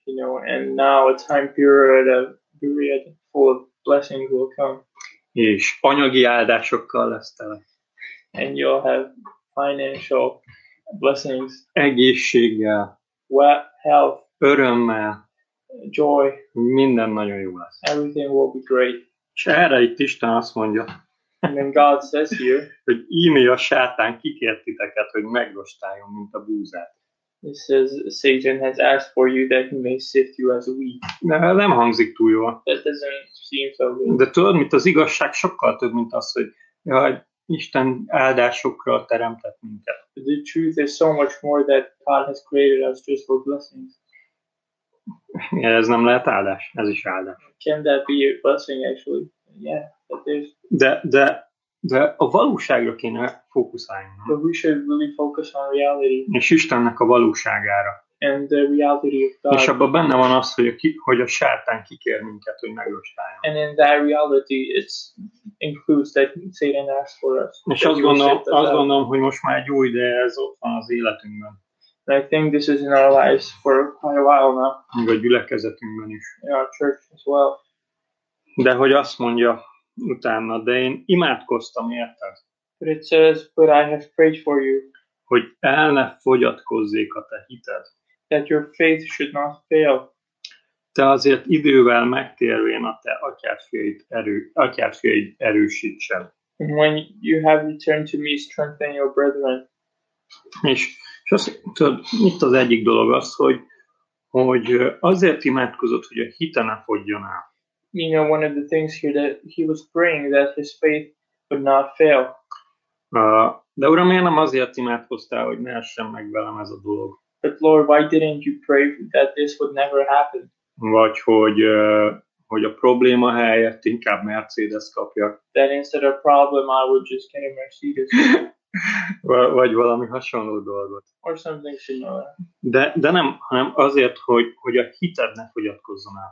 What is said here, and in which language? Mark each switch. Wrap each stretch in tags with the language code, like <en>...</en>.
<en>You know, and now a time period, full blessings will come.</en> <hu>És anyagi áldásokkal lesz tele.</hu> <en>And you'll have financial blessings.</en> <hu>Egészséggel.</hu> <en>Well, health.</en> <hu>Örömmel.</hu> <en>Joy.</en> <hu>Minden nagyon jó lesz.</hu> <en>Everything will be great.</en> <hu>És erre itt Isten azt mondja.</hu> <en>And then God says here,</en> <hu>hogy íme a sátán kikért titeket, hogy meglostáljon, mint a búzát.</hu> <en>It says Satan has asked for you that he may sift you as a wheat.</en> <hu>De nem hangzik túl jól.</hu> <en>That doesn't seem so good.</en> <hu>De tudod, mint az igazság sokkal több, mint az, hogy jaj, Isten áldásokra teremtett minket.</hu> <en>The truth is so much more that God has created us just for blessings.</en> <hu>Yeah, ez nem lehet áldás, ez is áldás.</hu> <en>Can that be a blessing actually? Yeah, that is.</en> <hu>De a valóságra kéne fókuszálni.</hu> <en>But we should really focus on reality.</en> <hu>És Istennek a valóságára.</hu> <en>And the reality of God.</en> <hu>És abban benne van az, hogy a sátán kikér minket, hogy megrostáljon.</hu> <en>And in that reality, it includes that Satan asks for us.</en> <hu>És azt gondolom, hogy most már egy új ide ez ott van az életünkben.</hu> <en>And I think this is in our lives for quite a while now.</en> <hu>Még a gyülekezetünkben is.</hu> <en>In our church as well.</en> <hu>De hogy azt mondja utána, de én imádkoztam érted.</hu> <en>But it says, but I have prayed for you.</en> <hu>Hogy el ne fogyatkozzék a te hited.</hu> <en>That your faith should not fail.</en> <hu>Te azért idővel megtérvén a te atyádfiaid erősítsen.</hu> <en>And when you have returned to me, strengthen your brethren.</en> <hu>És azt tudod, itt az egyik dolog az, hogy azért imádkozott, hogy a hite ne fogjon el.</hu> <en>You know, one of the things here that he was praying that his faith would not fail.</en> <hu>De Uram, én nem azért imádkoztál, hogy ne essen meg velem ez a dolog.</hu> <en>But Lord, why didn't you pray that this would never happen?</en> <hu>Vagy hogy a probléma helyett inkább Mercedes kapjak.</hu> <en>That instead of problem, I would just get a Mercedes.</en> <hu>Vagy valami hasonló dolgot.</hu> <en>Or something similar.</en> <hu>De nem, hanem azért, hogy a hited ne fogyatkozzon el.</hu>